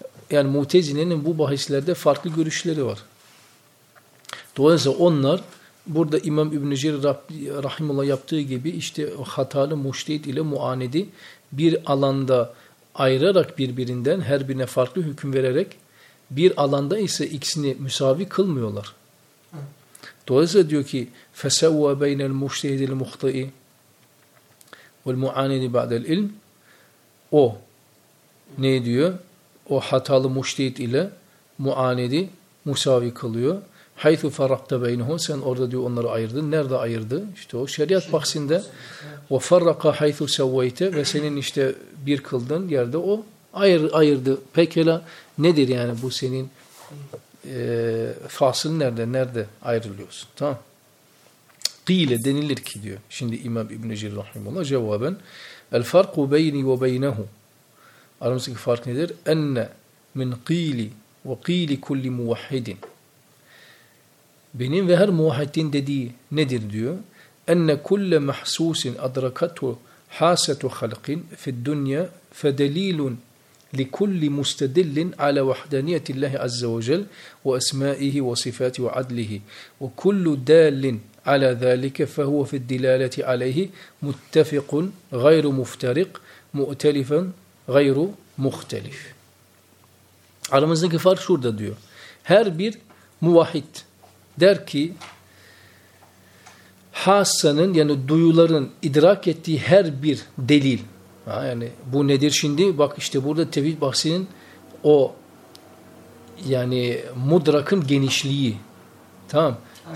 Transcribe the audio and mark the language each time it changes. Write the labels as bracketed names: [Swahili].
[Turkish] Yani Mutezile'nin bu bahislerde farklı görüşleri var. Dolayısıyla onlar burada İmam İbn-i Cerir Rahimullah yaptığı gibi işte hatalı müştehit ile muanidi bir alanda ayırarak birbirinden her birine farklı hüküm vererek bir alanda ise ikisini müsavi kılmıyorlar. Dolayısıyla diyor ki [Arabic] فَسَوَّ بَيْنَ الْمُشْتَهِدِ الْمُخْطَئِ وَالْمُعَانِدِ بَعْدَ الْاِلْمِ [Turkish] O ne diyor? O hatalı müştehit ile muanidi müsavi kılıyor. [Arabic] حَيْثُ فَرَقْتَ بَيْنِهُمْ [Turkish] Sen orada diyor onları ayırdın. Nerede ayırdı? İşte o şeriat bahsinde. [Arabic] وَفَرَّقَ حَيْثُ سَوَّيْتَ [Turkish] Ve senin işte bir kıldığın yerde o ayırdı. Pekala nedir yani bu senin fasıl nerede? Nerede ayrılıyorsun? Tamam. [Arabic] قِيلَ [Turkish] denilir ki diyor. Şimdi İmam İbn-i Cerir Rahimullah cevaben [Arabic] الْفَرْقُ بَيْنِي وَبَيْنَهُ [Turkish] Aramızdaki fark nedir? [Arabic] اَنَّ مِنْ قِيلِ وَقِيلِ كُلِّ مُوَحِّدٍ [Turkish] Benim ve her muvahhidin dediği nedir diyor? [Arabic] اَنَّ كُلَّ مَحْسُوسٍ اَدْرَكَتُ حَاسَةُ خَلْقٍ فِي الدُّنْيَا فَدَلِيلٌ لِكُلِّ مُسْتَدِلٍ عَلَى وَحْدَانِيَةِ اللّٰهِ عَزَّ وَجَلْ وَاَسْمَائِهِ وَصِفَاتِ وَعَدْلِهِ وَكُلُّ دَالٍ عَلَى ذَلِكَ فَهُوَ فِي الدِّلَالَةِ عَلَيْهِ مُتَّفِقٌ غَيْرُ مُفْتَرِقٌ مُؤْتَلِفًا غَيْرُ مُخْتَلِفٌ [Turkish] Aramızdaki fark şurada diyor. Her bir muvahhid der ki hassanın yani duyuların idrak ettiği her bir delil ha, yani bu nedir şimdi? Bak işte burada tevhid bahsinin o yani mudrakın genişliği. Tamam. Aynen.